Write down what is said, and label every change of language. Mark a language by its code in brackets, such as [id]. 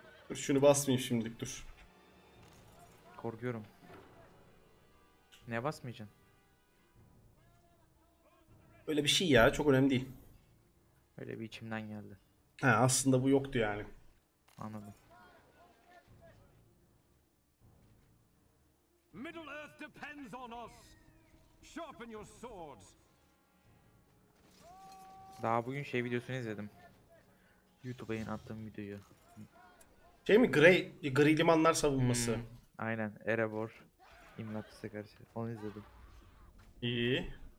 [tr] Dur şunu basmayayım şimdilik, dur. Korkuyorum. Ne basmayacaksın? Öyle bir şey ya, çok önemli değil. Öyle bir içimden geldi. Ha, aslında bu yoktu yani. Anladım. [en] Middle Earth depends on us. Sharpen your swords. [tr] Daha bugün şey videosunu izledim. YouTube'a yayınlattığım videoyu. Şey mi? Grey limanlar savunması. Aynen. Erebor imlatçısı karşı. Onu izledim. İyi.